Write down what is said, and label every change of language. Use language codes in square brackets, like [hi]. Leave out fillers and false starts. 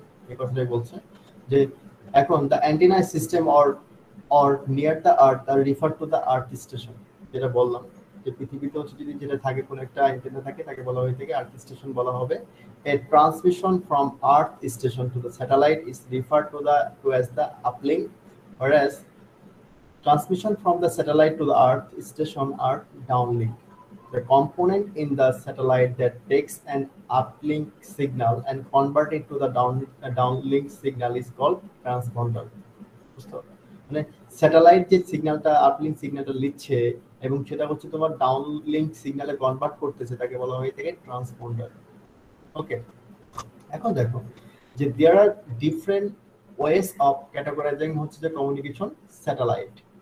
[bn] এই কথাটাই বলছে যে এখন [en] the antenna system or near the earth are refer to the earth station, [bn] যেটা বললাম যে পৃথিবীতে হচ্ছে যদি যেটা থাকে কোন একটা অ্যান্টেনা থাকে তাকে বলা হয়ে থাকে আর্থ স্টেশন বলা হবে। [en] এর transmission from earth station to the satellite is refer to the to as the uplink, whereas transmission from the satellite to the earth station are downlink. The component in the satellite that takes an uplink signal and convert it to the downlink signal is called transponder. [bn] বুঝছো, মানে satellite যে সিগন্যালটা uplink সিগন্যালটা নিচ্ছে এবং সেটা হচ্ছে তোমার downlink সিগন্যালে convert করতেছে তাকে বলা হয় থাকে ট্রান্সপন্ডার। ওকে, এখন দেখো যে [en] there are different ways of categorising [bn] হচ্ছে যে কমিউনিকেশন স্যাটেলাইট।